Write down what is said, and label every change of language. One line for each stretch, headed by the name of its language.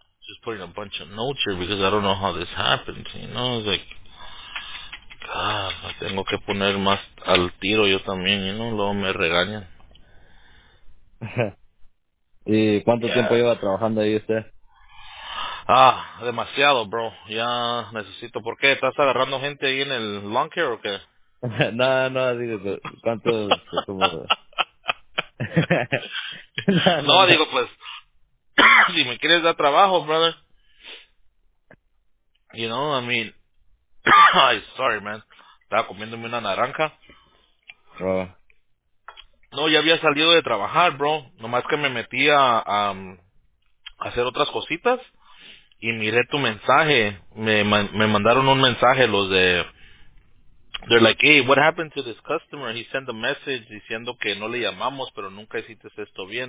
English: Just putting a bunch of notes here because I don't know how this happened, it's like...
Spanish: God, tengo que poner más al tiro yo también, ¿no? Luego me regañan. ¿Y cuánto tiempo lleva trabajando ahí usted? Ah, demasiado, bro. Ya necesito. ¿Por qué? ¿Estás agarrando gente ahí en el lawn care o qué? No, digo, ¿cuánto? Como... no, digo, pues, si me quieres dar trabajo, brother.
English: You know, I mean, ay, sorry, man.
Spanish: Estaba comiéndome una naranja. No, ya había salido de trabajar, bro. Nomás que me metí a hacer otras cositas. Y miré tu mensaje. Me mandaron un mensaje los de...
English: They're like, hey, what happened to this customer? He sent a message
Spanish: diciendo que no le llamamos, pero nunca hiciste esto bien.